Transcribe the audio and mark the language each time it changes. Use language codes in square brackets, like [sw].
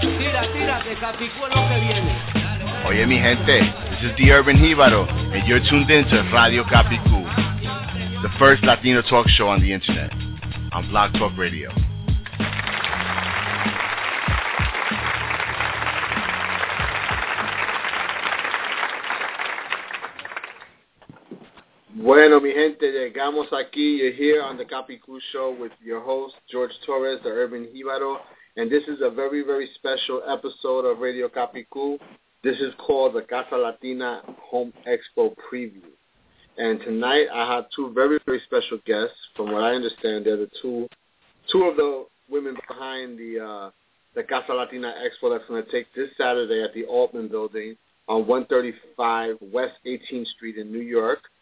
[es] Tira, tira, que Capicú es lo que viene. Oye, mi gente, [en] this is the Urban Jíbaro, and you're tuned in to Radio Capicú, the first Latino talk show on the internet, on Blog Talk Radio. [es] Bueno, mi gente, llegamos aquí. [en] You're here on the Capicú show with your host, George Torres, the Urban Jíbaro, and this is a very, very special episode of Radio Capicú. This is called the Casa Latina Home Expo Preview. And tonight I have two very, very special guests. From what I understand, they're the two of the women behind the Casa Latina Expo that's going to take this Saturday at the Altman Building on 135 West 18th Street in New York.